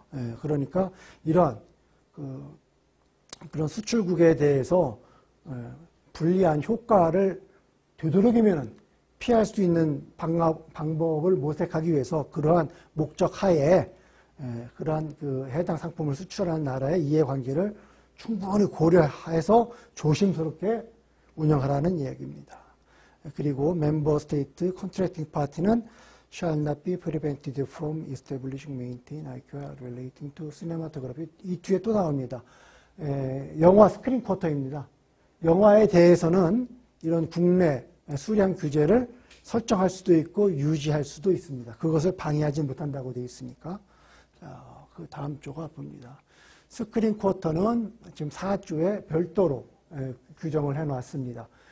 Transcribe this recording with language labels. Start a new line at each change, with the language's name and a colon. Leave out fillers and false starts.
Korean: 예, 그러니까 이러한 그런 수출국에 대해서 불리한 효과를 되도록이면 피할 수 있는 방법을 모색하기 위해서 그러한 목적 하에 그러한 그 해당 상품을 수출하는 나라의 이해관계를 충분히 고려해서 조심스럽게 운영하라는 이야기입니다. 그리고
English: 멤버 스테이트 컨트랙팅 파티는 shall not be prevented from establishing, maintain, IQR relating to cinematography.
Korean: 이 뒤에 또 나옵니다. 영화 스크린 쿼터입니다. 영화에 대해서는 이런 국내 수량 규제를 설정할 수도 있고 유지할 수도 있습니다. 그것을 방해하지 못한다고 되어 있으니까. 자, 그 다음 조가 봅니다. 스크린 쿼터는 지금 4조에 별도로 규정을 해놨습니다.